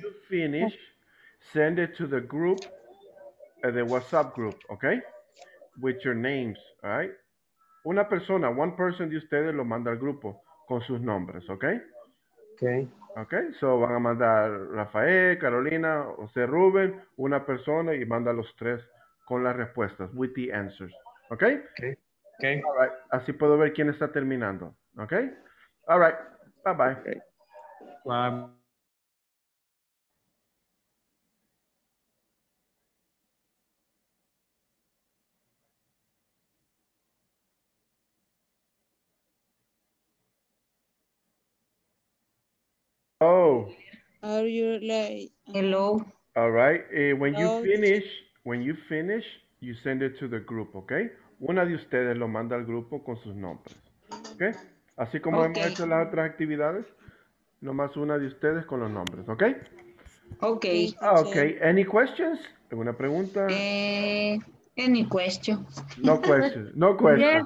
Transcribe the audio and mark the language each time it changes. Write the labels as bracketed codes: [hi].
[en] You finish, send it to the group, the WhatsApp group, okay, with your names, all right. [es] Una persona, [en] one person [es] de ustedes lo manda al grupo con sus nombres, okay. Okay. Okay, so van a mandar Rafael, Carolina, José Rubén, una persona y manda los tres con las respuestas, [en] with the answers. [es] Okay? Okay. [en] All right. [es] Así puedo ver quién está terminando. [en] Okay? All right. Bye bye. Okay. Bye. Oh. Are you like hello? All right. When you finish, you send it to the group, okay? [es] Una de ustedes lo manda al grupo con sus nombres. ¿Okay? Así como okay. Hemos hecho las otras actividades, nomás una de ustedes con los nombres, ¿okay? Okay. [en] Ah, okay. Any questions? [es] ¿Alguna pregunta? [en] Any question. No questions. No questions.